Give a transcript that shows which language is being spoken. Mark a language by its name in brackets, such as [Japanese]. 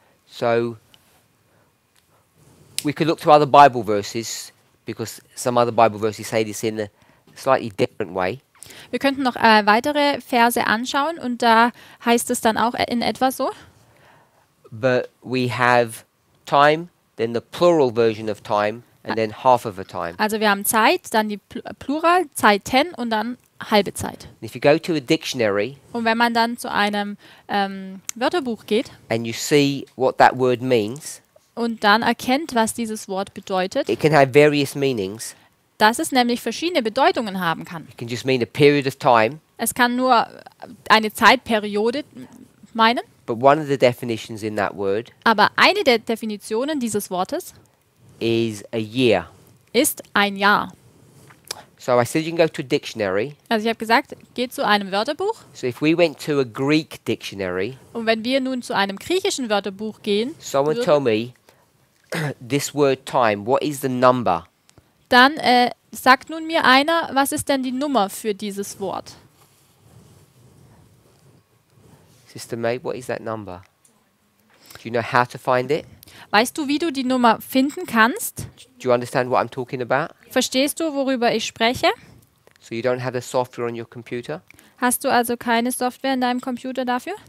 [English] So, we could look to other Bible verses, because some other Bible verses say this in a slightly different way. [German] Wir könnten noch weitere Verse anschauen, und da heißt es dann auch in etwa so. [English] But we have time, then the plural version of time, and then half of a time. [German] Also wir haben Zeit, dann die Plural, Zeiten, und dann halbe Zeit. [English] If you go to a dictionary, [German] und wenn man dann zu einem Wörterbuch geht, [English] and you see what that word means, [German] und dann erkennt, was dieses Wort bedeutet, [English] it can have various meanings, [German] dass es nämlich verschiedene Bedeutungen haben kann. [English] It can just mean a period of time, [German] es kann nur eine Zeitperiode meinen, [English] but one of the definitions in that word, [German] aber eine der Definitionen dieses Wortes [English] is a year, [German] ist ein Jahr. [English] So I said you can go to a dictionary. [German] Also ich habe gesagt, geht zu einem Wörterbuch. [English] So if we went to a Greek dictionary. [German] Und wenn wir nun zu einem griechischen Wörterbuch gehen. [English] Someone tell me this word time. What is the number? [German] Dann sagt nun mir einer, was ist denn die Nummer für dieses Wort? [English] Sister May, what is that number? Do you know how to find it? [German] Weißt du, wie du die Nummer finden kannst? [English] Do you understand what I'm talking about? [German] Verstehst du, worüber ich spreche? [English] So you don't have a software on your computer? [German] Hast du also keine Software in deinem Computer dafür?